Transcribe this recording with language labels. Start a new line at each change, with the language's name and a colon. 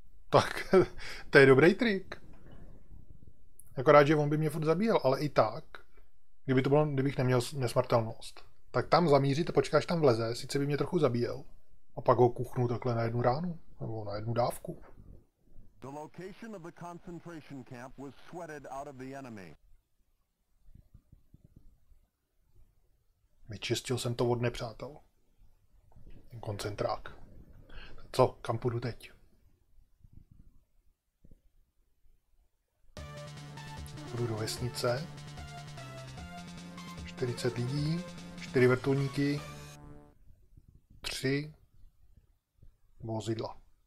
Czech: Tak, to je dobrý trik. Akorát, že on by mě furt zabíjel, ale i tak, kdyby to bylo, kdybych neměl nesmrtelnost, tak tam zamířit a počkáš, tam vleze, sice by mě trochu zabíjel, a pak ho kuchnu takhle na jednu ránu, nebo na jednu dávku.
English: The location of the concentration camp was sweated out of the enemy.
Czech: Vyčistil jsem to od nepřátel. Ten koncentrák. Co, kam půjdu teď? Půjdu do vesnice. 40 lidí, 4 vrtulníky, 3 vozidla.